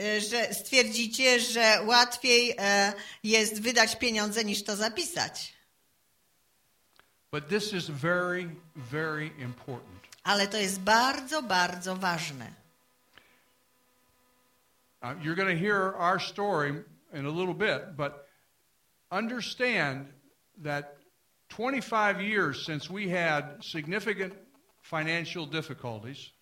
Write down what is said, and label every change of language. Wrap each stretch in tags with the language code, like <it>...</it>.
<pl>Że stwierdzicie, że łatwiej jest wydać pieniądze niż to zapisać.</pl> <en>But this is very, very important.</en> <pl>Ale to jest bardzo, bardzo ważne.</pl> <en>You're going to hear our story in a little bit, but understand that 25 years since we had significant financial difficulties.</en>